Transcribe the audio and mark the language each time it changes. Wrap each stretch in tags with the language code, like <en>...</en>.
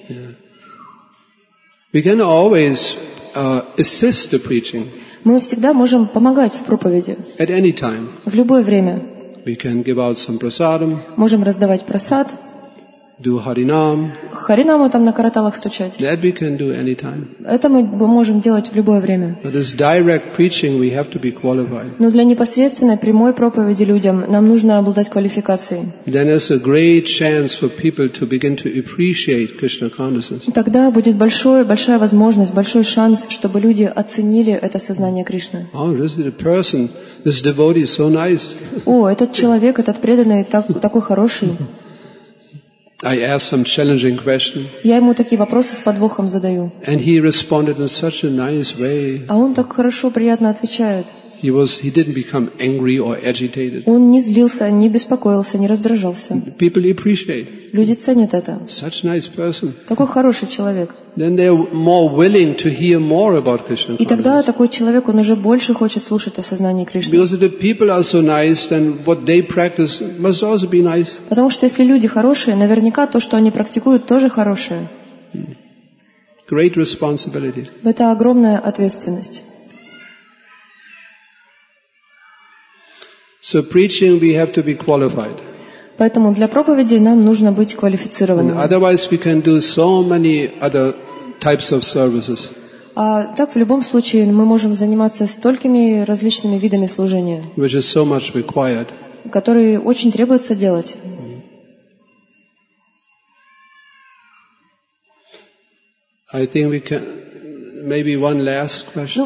<en>Yeah. We can always assist the preaching.</en> <ru>Мы всегда можем помогать в проповеди.</ru> <en>At any time.</en> <ru>В любое время.</ru> <en>We can give out some prasadam.</en> <ru>Можем раздавать прасад.</ru> <en>Do харинам.</en> <ru>Харинаму там на караталах стучать.</ru> <en>That we can do any time.</en> <ru>Это мы можем делать в любое время.</ru> <en>But as direct preaching, we have to be qualified.</en> <ru>Но для непосредственной прямой проповеди людям нам нужно обладать квалификацией.</ru> <en>Then there's a great chance for people to begin to appreciate Krishna consciousness.</en> <ru>Тогда будет большая возможность, большой шанс, чтобы люди оценили это сознание Кришны.</ru> <en>Oh, this is a person. This devotee is so nice.</en> <ru>О, этот человек, этот преданный, такой хороший.</ru> <en>I asked some challenging question.</en> <ru>Я ему такие вопросы с подвохом задаю.</ru> <en>And he responded in such a nice way.</en> <ru>А он так хорошо, приятно отвечает.</ru> <en>He didn't become angry or agitated.</en> <ru>Он не злился, не беспокоился, не раздражался.</ru> <en>People appreciate.</en> <ru>Люди ценят это.</ru> <en>Such a nice person.</en> <ru>Такой хороший человек.</ru> <en>Then they're more willing to hear more about Krishna consciousness.</en> <ru>И тогда такой человек, он уже больше хочет слушать о сознании Кришны.</ru> <en>Because if the people are so nice, then what they practice must also be nice.</en> <ru>Потому что если люди хорошие, наверняка то, что они практикуют, тоже хорошее.</ru> <en>Great responsibility.</en> <ru>Это огромная ответственность.</ru> <en>So preaching, we have to be qualified.</en> <ru>Поэтому для проповеди нам нужно быть квалифицированными.</ru> <en>And otherwise, we can do so many other types of services.</en> <ru>А так в любом случае мы можем заниматься столькими различными видами служения,</ru> <en>which is so much required,</en> <ru>которые очень требуется делать.</ru> <en>I think we can maybe one last question.</en>